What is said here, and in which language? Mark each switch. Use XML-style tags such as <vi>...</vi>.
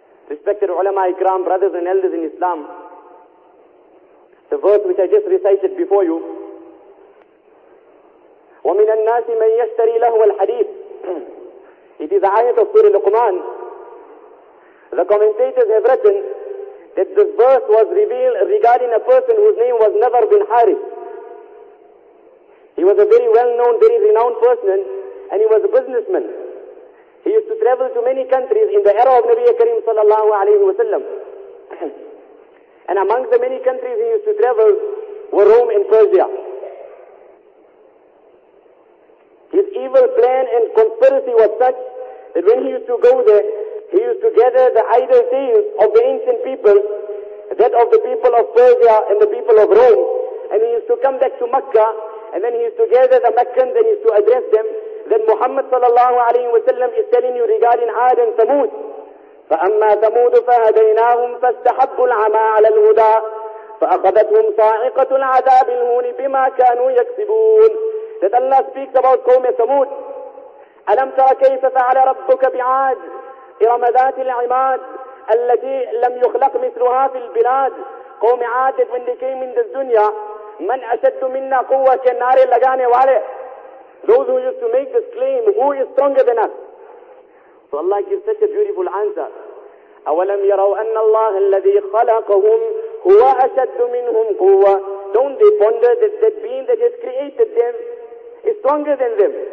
<en>Respected ulama ikram, brothers and elders in Islam, the verse which I just recited before you,</en> <ar>وَمِنَ النَّاسِ مَنْ يَشْتَرِي لَهُوَ الْحَدِيثِ</ar> <en>It is the ayat of Surah Luqman. The commentators have written that this verse was revealed regarding a person whose name was Nadhr bin Harith. He was a very well-known, very renowned person and he was a businessman. He used to travel to many countries in the era of Nabi Karim sallallahu alayhi wa sallam. And amongst the many countries he used to travel were Rome and Persia. His evil plan and conspiracy was such that when he used to go there, he used to gather the idle tales of the ancient people, that of the people of Persia and the people of Rome. And he used to come back to Mecca and then he used to gather the Meccans and he used to address them. Then Muhammad sallallahu alayhi wa sallam is telling you regarding Aad and Thamud.</en> <ar>فَأَمَّا ثَمُودُ فَهَدَيْنَاهُمْ فَاسْتَحَبُّوا الْعَمَى عَلَى الْهُدَىٰ فَأَخَذَتْهُمْ صَاعِقَةُ الْعَذَابِ الْهُونِ بِمَا كَانُوا يَكْسِبُونَ</ar> <en>That Allah speaks about</en> <ar>قوم ثمود أَلَمْ تَرَ كَيْفَ فَعَلَ رَبُّكَ بِعَاد إِرَمَ ذَاتِ الْعِمَادِ الَّتِي لَمْ يُخْلَقْ مِثْلُهَا فِي الْبِلَادِ قوم عاد</ar> <en>when they came in this dunya</en> <ar>من أشد منا قوة كالنار لغاني والي</ar> <en>Those who used to make this claim, who is stronger than us? So Allah gives such a beautiful answer.</en> <ar>أَوَلَمْ يَرَوْا أَنَّ اللَّهَ الَّذِي خَلَقَهُمْ هُوَ أَشَدُّ مِنْهُمْ قُوَّةً</ar> <en>Don't they ponder that that being that has created them is stronger than them.</en>